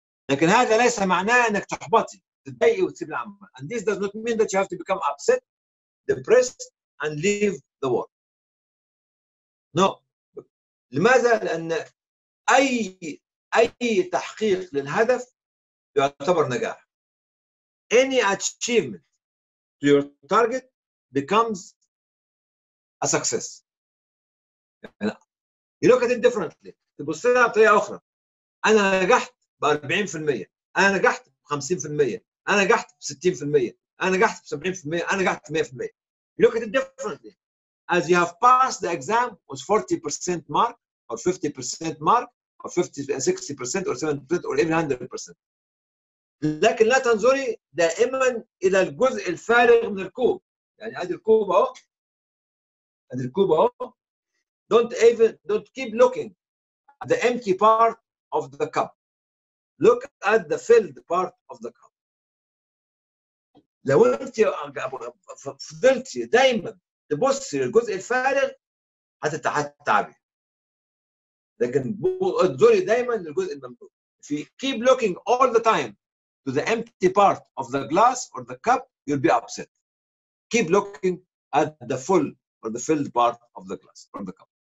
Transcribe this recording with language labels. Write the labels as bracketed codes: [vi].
[ar] لكن هذا ليس معناه انك تحبطي تضايقي وتسيب العمل. [en] And this does not mean that you have to become upset, depressed and leave the world. No. [ar] لماذا؟ لان اي تحقيق للهدف يعتبر نجاح. [en] Any achievement to your target becomes a success. You look at it differently. [ar] تبص لها بطريقة أخرى. أنا نجحت ب40%. أنا نجحت ب50%. أنا نجحت ب60%. أنا نجحت ب70%. أنا نجحت ب100%. [en] You look at it differently. As you have passed the exam with 40% mark or 50% mark or 50-60% or 70% or even 100%. [ar] لكن لا تنظري دائما الى الجزء الفارغ من الكوب. يعني ادي الكوب اهو. [en] Don't keep looking at the empty part of the cup. Look at the filled part of the cup. [ar] لو انت فضلتي دائما تبصي للجزء الفارغ هتتعبي. لكن انظري دائما للجزء الممدود. [en] If you keep looking all the time to the empty part of the glass or the cup, you'll be upset. Keep looking at the full or the filled part of the glass or the cup.